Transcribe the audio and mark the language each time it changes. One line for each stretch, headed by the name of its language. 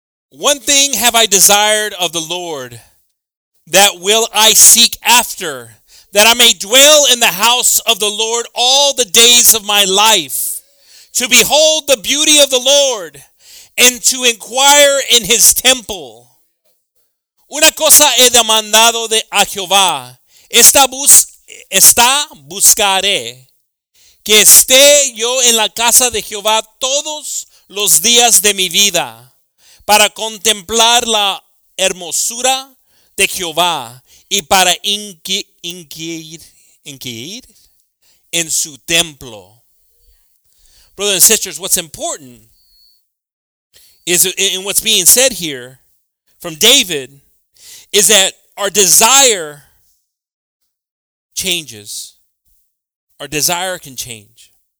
English: One thing have I desired of the Lord, that will I seek after, that I may dwell in the house of the Lord all the days of my life, to behold the beauty of the Lord and to inquire in his temple.
Spanish: Una cosa he demandado de a Jehová, esta buscaré, que esté yo en la casa de Jehová todos los días de mi vida, para contemplar la hermosura de Jehová y para inquirir en su templo.
English: Brothers and sisters, what's important is, and what's being said here from David, is that our desire changes. Our desire can change.